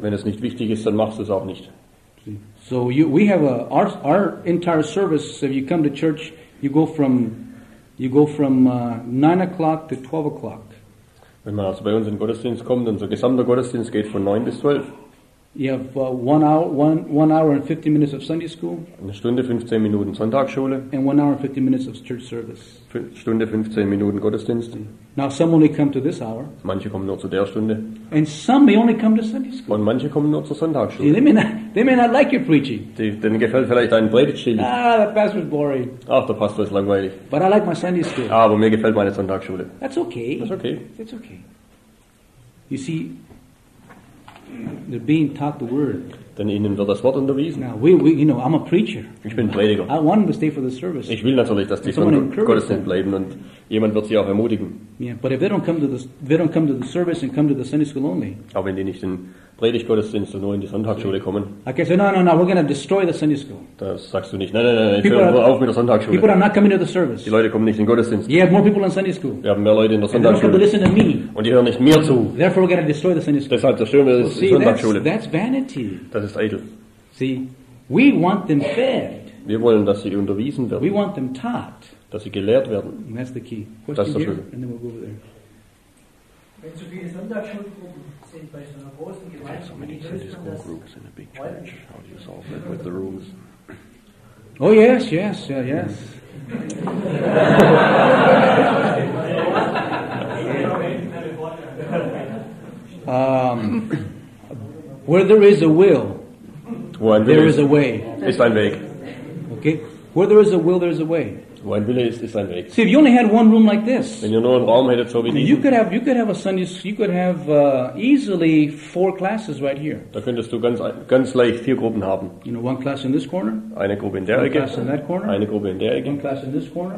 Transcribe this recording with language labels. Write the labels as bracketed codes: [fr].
[de] Wenn es nicht wichtig ist, dann machst du es auch nicht. [en] So we have our entire service. If you come to church, you go from 9 o'clock to 12 o'clock. [de] Wenn man also bei uns in Gottesdienst kommt, unser gesamter Gottesdienst geht von 9 bis 12. [en] You have one hour and 15 minutes of Sunday school. [de] Eine Stunde 15 Minuten Sonntagsschule. [en] And 1 hour and 15 minutes of church service. [de] Stunde 15 Minuten Gottesdienst. [en] Now some only come to this hour. [de] Manche kommen nur zu der Stunde. [en] And some may only come to Sunday school. [de] Und manche kommen nur zur Sonntagsschule. [en] They may not like your preaching. [de] Denen gefällt vielleicht dein Predigtstil. [en] Ah, the pastor's boring. [de] Ach, der Pastor ist langweilig. [en] But I like my Sunday school. [de] Ah, aber mir gefällt meine Sonntagsschule. [en] That's okay. That's okay. That's okay. You see, they're being taught the word. [de] Denn ihnen wird das Wort unterwiesen. [en] Now we you know, I'm a preacher. [de] Ich bin Prediger. [en] I want them to stay for the service. [de] Ich will natürlich, dass die von Gottesdienst bleiben und jemand wird sie auch ermutigen. [en] Yeah, but if they don't come to the service and come to the Sunday school only. [de] Auch wenn die nicht in Predigtgottesdienst nur in die Sonntagsschule kommen. [en] I can say no, we're going to destroy the Sunday school. [de] Das sagst du nicht. Nein, ich höre auf mit der Sonntagsschule. [en] People are not coming to the service. [de] Die Leute kommen nicht in Gottesdienst. [en] You have more people in Sunday school. [de] Wir haben mehr Leute in der Sonntagsschule. [en] And they don't come to listen to me. [de] Und die hören nicht mir zu. [en] Therefore we're going to destroy the Sunday school. [de] Deshalb zerstören wir die Sonntagsschule. [en] That's vanity. [de] Das ist eitel. [en] See, we want them fed. [de] Wir wollen, dass sie unterwiesen werden. [en] We want them taught. [de] Dass sie gelehrt werden. [en] And that's the key. [de] Das ist der Schlüssel. [en] And then we'll go over there. [de] Wenn so viele Sonntagsschulgruppen sind bei so einer großen Gemeinde, [en] so groups in a big church, how do you solve that with the rules? Oh yes, yes, yes. Where there is a will, there is a way. [de] Ist ein Weg. [en] Okay. Where there is a will, there is a way. [de] Wo ein Wille ist, ist ein Weg. [en] See, if you only had one room like this, [de] wenn ihr nur einen Raum hättet, so wie diesen, [en] you could have a Sunday, you could have easily four classes right here. [de] Da könntest du ganz leicht vier Gruppen haben. [en] You know, one class in this corner. [de] Eine Gruppe in der Ecke. [en] One class in that corner. [de] Eine Gruppe in der Ecke. [en] One class in this corner.